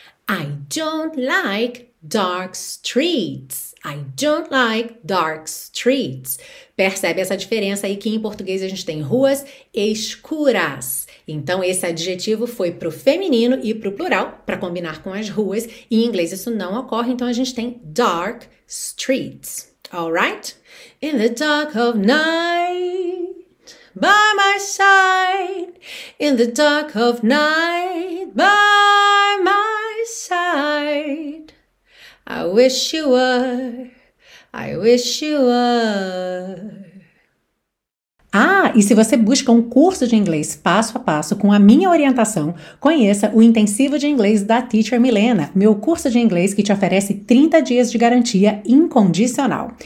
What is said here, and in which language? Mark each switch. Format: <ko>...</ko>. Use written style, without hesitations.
<en>I don't like dark streets. I don't like dark streets.</en> <pt>Percebe essa diferença aí que em português a gente tem ruas escuras. Então, esse adjetivo foi para o feminino e para o plural, para combinar com as ruas. Em inglês, isso não ocorre. Então, a gente tem dark streets. All right?</pt> <en>In the dark of night, by my side. In the dark of night, by my side. I wish you were, I wish you were.</en> <pt>Ah, e se você busca um curso de inglês passo a passo com a minha orientação, conheça o Intensivo de Inglês da Teacher Milena, meu curso de inglês que te oferece 30 dias de garantia incondicional.</pt>